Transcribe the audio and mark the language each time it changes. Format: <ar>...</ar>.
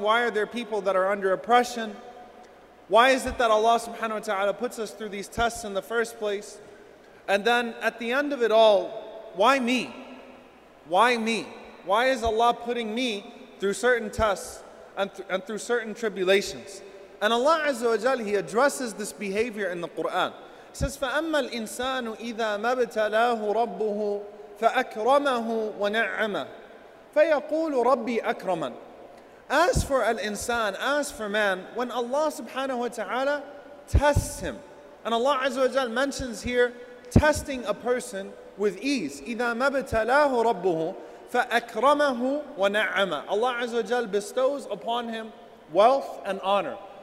<en>Why are there people that are under oppression? Why is it that Allah subhanahu wa ta'ala puts us through these tests in the first place? And then at the end of it all, why me? Why me? Why is Allah putting me through certain tests and through certain tribulations? And Allah Azza wa Jalla, He addresses this behavior in the Quran. He says,</en> <ar>فَأَمَّا الْإِنسَانُ إِذَا مَبْتَلَاهُ رَبُّهُ فَأَكْرَمَهُ وَنَعَّمَهُ فَيَقُولُ رَبِّي أَكْرَمًا.</ar> <en>As for al-insan, as for man, when Allah subhanahu wa ta'ala tests him, and Allah Azza wa Jalla mentions here, testing a person with ease.</en> <ar>إِذَا مَبْتَلَاهُ رَبُّهُ فَأَكْرَمَهُ وَنَعَّمَهُ.</ar> <en>Allah Azza wa Jal bestows upon him wealth and honor.</en>